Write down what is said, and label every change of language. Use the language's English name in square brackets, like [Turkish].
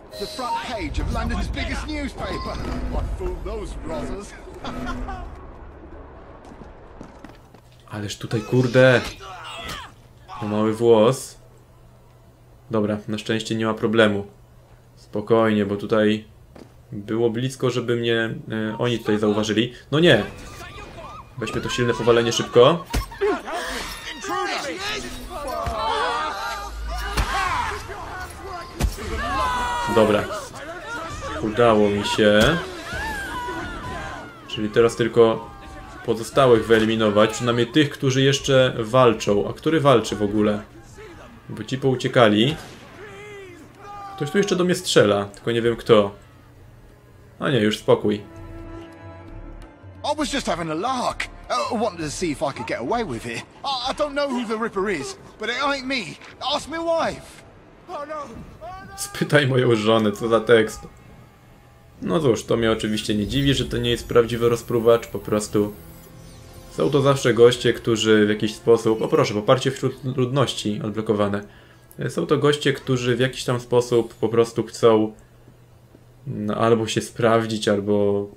[English] The front page of London's biggest newspaper. What fooled those brothers? [Polish] Ależ tutaj, kurde, o mały włos. Dobra, na szczęście nie ma problemu. Spokojnie, bo tutaj było blisko, żeby mnie oni tutaj zauważyli. No nie! Weźmy to silne powalenie szybko. Dobra. Udało mi się. Czyli teraz tylko pozostałych wyeliminować, przynajmniej tych, którzy jeszcze walczą. A który walczy w ogóle? Bo ci pouciekali. Ktoś tu jeszcze do mnie strzela, tylko nie wiem kto. A nie, już spokój. [English] I was just having a lark. Wanted to see if I could get away with it. I don't know who the Ripper is, but it ain't me. Ask my wife. [Polish] Spytaj moją żonę, co za tekst. No cóż, to mnie oczywiście nie dziwi, że to nie jest prawdziwy rozpruwacz, po prostu. Są to zawsze goście, którzy w jakiś sposób... O proszę, poparcie wśród ludności odblokowane. Są to goście, którzy w jakiś tam sposób po prostu chcą albo się sprawdzić, albo...